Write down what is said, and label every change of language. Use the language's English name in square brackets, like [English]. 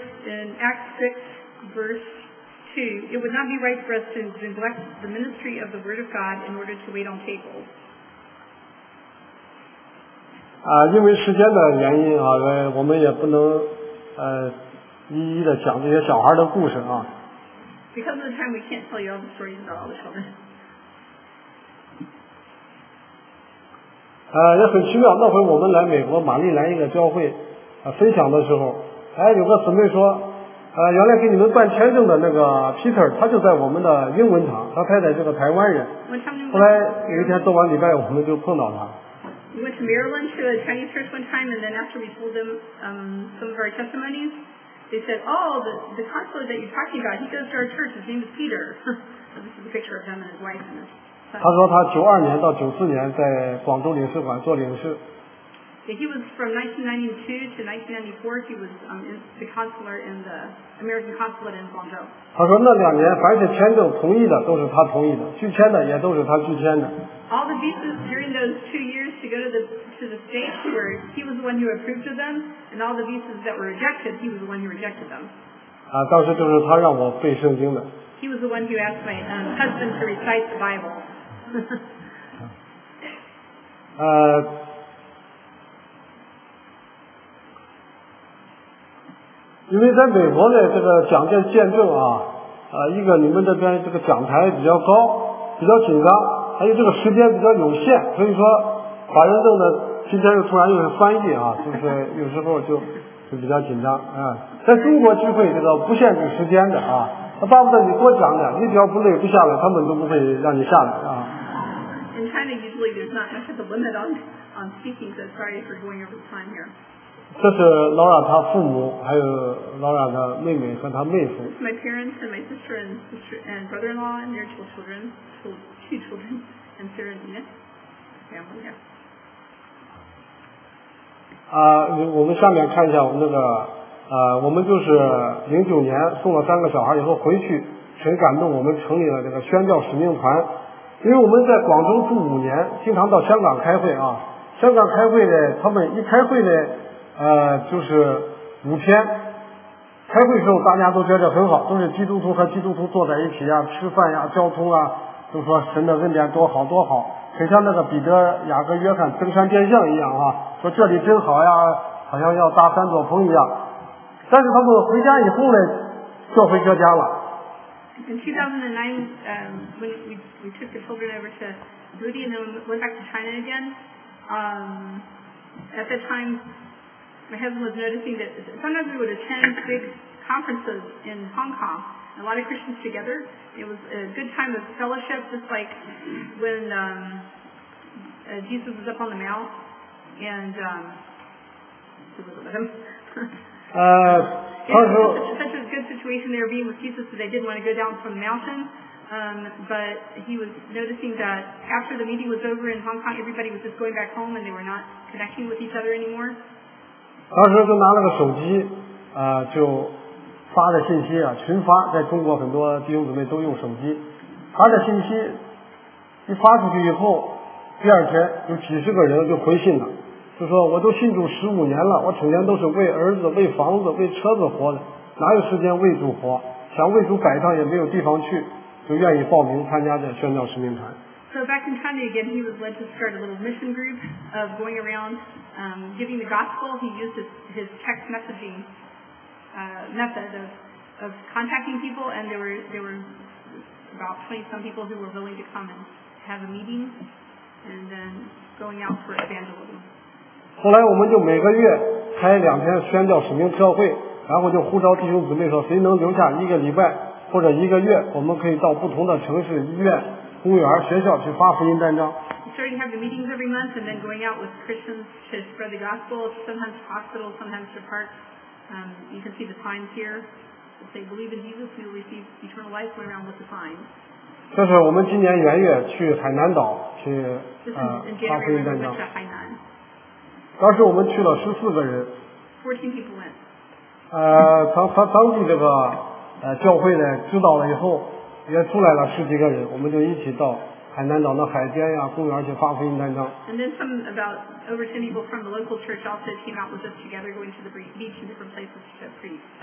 [English] Two, it would not be right for us to neglect the ministry of the word of God in order to wait on tables. Because of the time, we can't tell you all the stories about all the children. [Chinese] 也很奇妙，那回我们来美国玛丽兰一个教会分享的时候，有个姊妹说原来给你们办签证的那个 Peter 他就在我们的英文堂，他太太是个台湾人，后来有一天做完礼拜我们就碰到他。 [English] We went to Maryland to a Chinese church one time, and then after we told them some of our testimonies, they said, "Oh, the consul that you're talking about, he goes to our church, his name is Peter." So this is a picture of him and his wife and his [Chinese] son. 他说他92年到94年在广州领事馆做领事。 [English] He was from 1992 to 1994. He was the consular in the American consulate in Guangzhou. [Chinese] 他说那两年凡是签证同意的都是他同意的，拒签的也都是他拒签的。 [English] All the visas during those 2 years to go to the States were he was the one who approved of them, and all the visas that were rejected, he was the one who rejected them. [Chinese] 当时就是他让我背圣经的。 [English] He was the one who asked my husband to recite the Bible. [Chinese] 因为在美国的这个讲这见证一个你们这边这个讲台比较高比较紧张，还有这个时间比较有限，所以说华人证呢今天又突然又是翻译就是有时候就比较紧张在中国聚会这个不限制时间的他巴不得你多讲点，你只要不累不下来他们都不会让你下来 [English] In China usually there's not much of the limit on speaking, so sorry for going over the time here. [Chinese] 这是 Laura 她父母还有 Laura 的妹妹和她妹夫。 [English] My parents and my sister and sister and brother-in-law and their two children and Sarah and Nick family. [Chinese] 我们下面看一下我们那个我们就是09年送了三个小孩以后回去，神感动我们成立了这个宣教使命团，因为我们在广州住五年，经常到香港开会啊。香港开会呢，他们一开会呢，就是五天。开会时候大家都觉得很好，都是基督徒和基督徒坐在一起啊，吃饭呀、交通啊，都说神的恩典多好多好，很像那个彼得、雅各、约翰登山变相一样啊，说这里真好呀，好像要搭三座棚一样。但是他们回家以后呢，教会搁家了。 [English] In 2009, we took the children over to Booty and then went back to China again. At that time, my husband was noticing that sometimes we would attend big conferences in Hong Kong, a lot of Christians together. It was a good time of fellowship, just like when Jesus was up on the Mount and such a good situation there being with Jesus, so they didn't want to go down from the mountain. But he was noticing that after the meeting was over in Hong Kong, everybody was just going back home and they were not connecting with each other anymore. [Chinese] 当时就拿了个手机，就发的信息啊，群发，在中国很多弟兄姊妹都用手机，发的信息一发出去以后，第二天有几十个人就回信了。就说我都信主十五年了，我整天都是为儿子、为房子、为车子活的，哪有时间为主活？想为主摆上也没有地方去，就愿意报名参加这宣教使命团。 [English] So back in China again, he was led to start a little mission group of going around, giving the gospel. He used his text messaging, method of contacting people, and there were about 20 some people who were willing to come and have a meeting, and then going out for evangelism. [Chinese] 后来我们就每个月开两天宣教使命特会，然后就呼召弟兄姊妹说，谁能留下一个礼拜或者一个月，我们可以到不同的城市、医院、公园、学校去发福音单张。 [English] Starting to have the meetings every month and then going out with Christians to spread the gospel, sometimes to hospitals, sometimes to parks. You can see the signs here. If they believe in Jesus, we will receive eternal life, going around with the signs. [Chinese] 这是我们今年元月去海南岛去发福音单张。当时我们去了十四个人。 [English] 14 people went. [Chinese] 当地这个教会呢知道了以后，也出来了十几个人，我们就一起到海南岛的海边呀、公园去发福音单张。 [English] And then some about over 10 people from the local church also came out with us together, going to the beach and different places to preach.